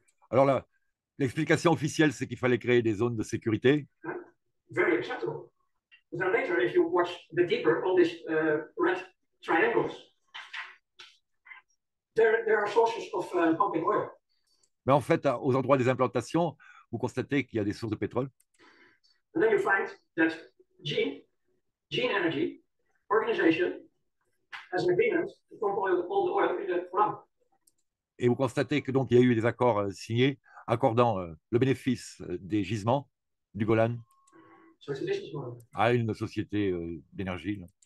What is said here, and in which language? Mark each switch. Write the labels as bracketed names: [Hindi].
[French] Alors là, l'explication officielle, c'est qu'il fallait créer des zones de sécurité. [English] Very acceptable. Then later, if you watch the deeper, all these red triangles, there are sources of pumping oil. [French] Mais en fait, aux endroits des implantations, vous constatez qu'il y a des sources de pétrole. [English] And then you find that Gene Energy organization has an agreement to pump all the oil in the program. [French] Et vous constatez que donc il y a eu des accords signés accordant le bénéfice des gisements du Golan à une société d'énergie.